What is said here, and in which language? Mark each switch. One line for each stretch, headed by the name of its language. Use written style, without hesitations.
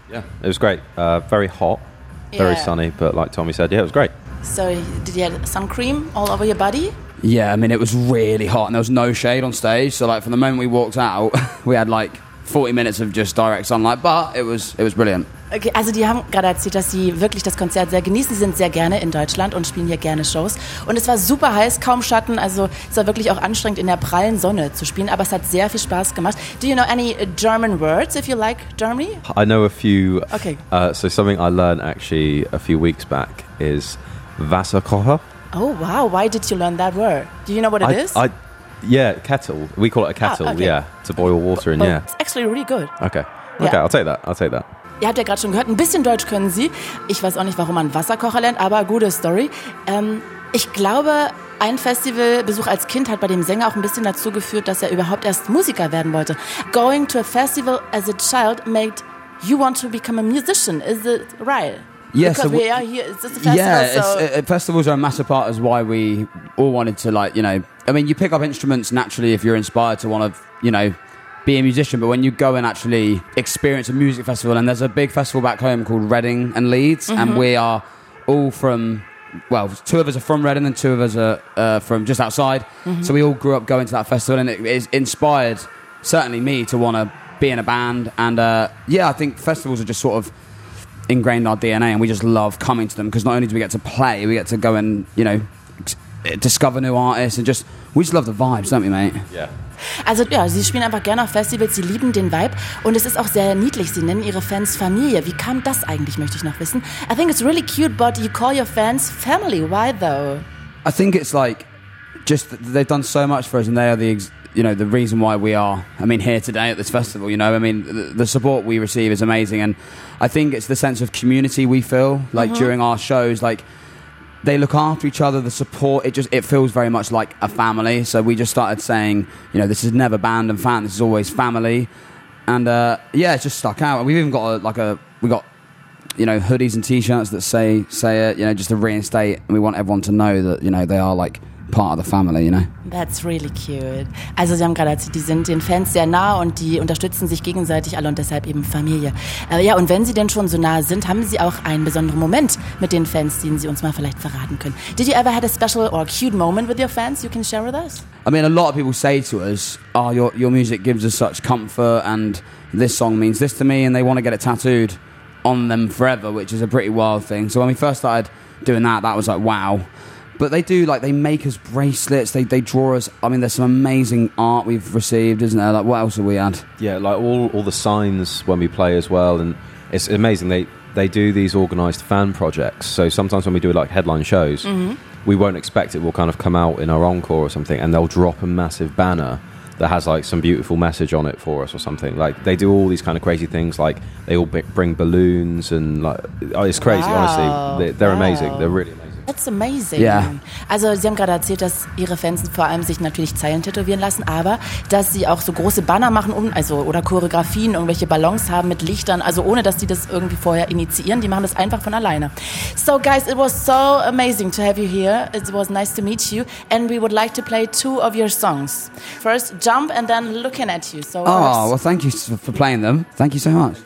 English: Yeah, it was great. Very hot, very sunny, but like Tommy said, yeah, it was great. So did you have sun cream all over your body? Yeah, I mean, it was really hot and there was no shade on stage. So like from the moment we walked out, we had like 40 minutes of just direct sunlight, but it was brilliant.
German: Okay, also die haben gerade erzählt, dass sie wirklich das Konzert sehr genießen. Sie sind sehr gerne in Deutschland und spielen hier gerne Shows. Und es war super heiß, kaum Schatten. Also es war wirklich auch anstrengend, in der prallen Sonne zu spielen. Aber es hat sehr viel Spaß gemacht.
English: Do you know any German words, if you like Germany? I know a few. Okay. So something I learned actually a few weeks back is Wasserkocher. Oh, wow. Why did you learn that word? Do you know what it is? Kettle. We call it a kettle, okay. Yeah. To boil water in, yeah. It's actually really good. Okay. Okay, yeah. I'll take that.
German: Ihr habt ja gerade schon gehört, ein bisschen Deutsch können Sie. Ich weiß auch nicht, warum man Wasserkocher lernt, aber gute Story. Ich glaube, ein Festivalbesuch als Kind hat bei dem Sänger auch ein bisschen dazu geführt, dass er überhaupt erst Musiker werden wollte.
English: Going to a festival as a child made you want to become a musician. Is it right? Yeah, because we are here. It's just a festival. Yeah, festivals are a massive part of why we all wanted to, like, you know... I mean, you pick up instruments naturally if you're inspired to want to, you know... be a musician, but when you go and actually experience a music festival, and there's a big festival back home called Reading and Leeds, mm-hmm. and we are all from, well, two of us are from Reading and two of us are from just outside, mm-hmm. so we all grew up going to that festival, and it inspired certainly me to want to be in a band, and yeah, I think festivals are just sort of ingrained in our DNA, and we just love coming to them, because not only do we get to play, we get to go and, you know, discover new artists, and just, we just love the vibes, don't we, mate? Yeah.
German: Also ja, sie spielen einfach gerne auf Festivals, sie lieben den Vibe und es ist auch sehr niedlich, sie nennen ihre Fans Familie. Wie kam das eigentlich, möchte ich noch wissen.
English: I think it's really cute, but you call your fans family, why though? I think it's like, just they've done so much for us and they are the reason why we are, I mean, here today at this festival, you know, I mean, the support we receive is amazing and I think it's the sense of community we feel, like mm-hmm. during our shows, like, they look after each other, the support, it feels very much like a family. So we just started saying, you know, this is never band and fan, this is always family. And yeah, it's just stuck out. We've even got we got, you know, hoodies and t-shirts that say it, you know, just to reinstate. And we want everyone to know that, you know, they are like part of the family, you know. That's really cute.
German: Also sie haben gerade erzählt, die sind den Fans sehr nah und die unterstützen sich gegenseitig alle und deshalb eben Familie. Ja, und wenn sie denn schon so nah sind, haben sie auch einen besonderen Moment mit den Fans, den sie uns mal vielleicht verraten können.
English: Did you ever had a special or cute moment with your fans you can share with us? I mean, a lot of people say to us, oh, your music gives us such comfort and this song means this to me and they want to get it tattooed on them forever, which is a pretty wild thing. So when we first started doing that was like, wow. But they do, like, they make us bracelets, they draw us, I mean, there's some amazing art we've received, isn't there? Like, what else have we had? Yeah, like, all the signs when we play as well, and it's amazing. They do these organised fan projects, so sometimes when we do, like, headline shows, mm-hmm. we won't expect it will kind of come out in our encore or something, and they'll drop a massive banner that has, like, some beautiful message on it for us or something. Like, they do all these kind of crazy things, like, they all bring balloons, and, like, it's crazy, wow. Honestly. They're amazing, they're really amazing. That's amazing. Yeah.
German: Also Sie haben gerade erzählt, dass Ihre Fans vor allem sich natürlich Zeilen tätowieren lassen, aber dass Sie auch so große Banner machen oder Choreografien, irgendwelche Ballons haben mit Lichtern, also ohne, dass die das irgendwie vorher initiieren. Die machen das einfach von alleine.
English: So guys, it was so amazing to have you here. It was nice to meet you. And we would like to play two of your songs. First, Jump and then Looking at You. So oh, well, thank you for playing them. Thank you so much.